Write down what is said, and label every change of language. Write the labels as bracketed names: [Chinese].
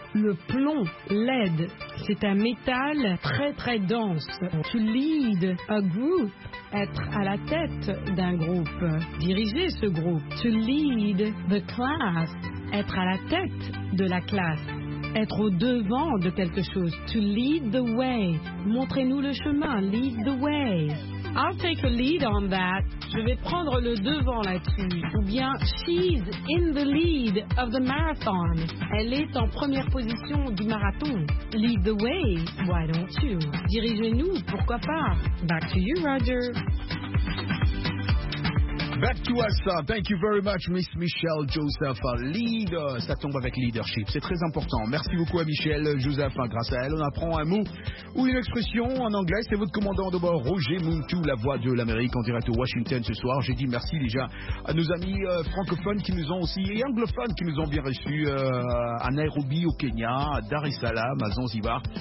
[French] Le plomb, lead, c'est un métal très très dense. [English] To lead a group, [French] être à la tête d'un groupe, diriger ce groupe. [English] To lead the class, [French] être à la tête de la classe, être au devant de quelque chose. [English] To lead the way, [French] montrez-nous le chemin, [English] lead the way. I'll take a lead on that. [French] Je vais prendre le devant là-dessus. Ou bien, [English] she's in the lead of the marathon. [French] Elle est en première position du marathon. [English] Lead the way, why don't you? [French] Dirigez-nous, pourquoi pas? [English] Back to you, Roger. Back to us. Thank you very much, Miss Michelle Joseph. [French] Lead, ça tombe avec leadership. C'est très important. Merci beaucoup à Michelle Joseph. Grâce à elle, on apprend un mot ou une expression en anglais. C'est votre commandant de bord, Roger Muntou, la voix de l'Amérique en direct de Washington ce soir. J'ai dit merci déjà à nos amis francophones qui nous ont aussi, et anglophones qui nous ont bien reçus à Nairobi, au Kenya, à Dar es Salaam, à Zanzibar.